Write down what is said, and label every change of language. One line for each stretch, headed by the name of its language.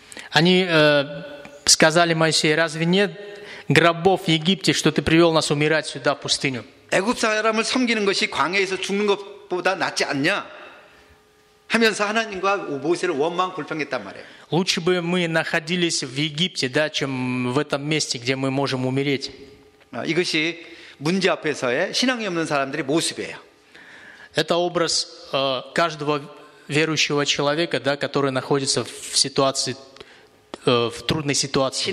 Russian: Они сказали Моисею: разве нет гробов в Египте, что ты привел нас умирать сюда, в пустыню?
Korean: 애굽 사람을 섬기는 것이 광야에서 죽는 것 보다 낫지 않냐 하면서 하나님과 모세를 원망 불평했단 말이에요.
Russian: Лучше бы мы находились в Египте, да, чем в этом месте, где мы можем умереть.
Korean: 이것이 문제 앞에서의 신앙이 없는 사람들의 모습이에요.
Russian: Это образ каждого верующего человека, да, который находится в ситуации в трудной ситуации.